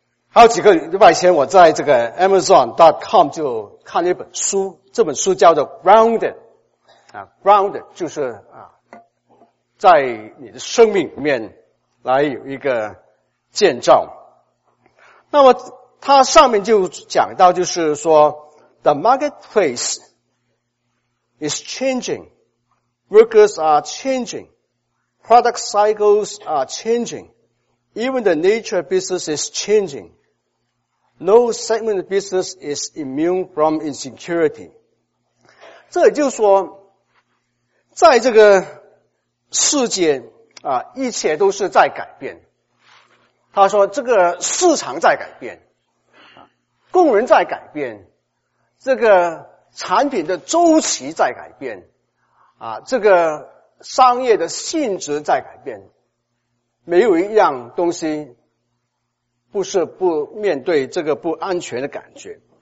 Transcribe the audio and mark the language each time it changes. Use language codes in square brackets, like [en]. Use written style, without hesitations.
[zh] 还有几个礼拜前，我在这个 Amazon.com 就看了一本书，这本书叫做 Grounded， Grounded 就是在你的生命里面来有一个建造。那么它上面就讲到，就是说 [en] The marketplace is changing, workers are changing, product cycles are changing, even the nature of business is changing. No segment of business is immune from insecurity. [zh] 这也就是说，在这个世界啊，一切都是在改变。他说这个市场在改变，工人在改变，这个产品的周期在改变，这个商业的性质在改变，没有一样东西不是不面对这个不安全的感觉。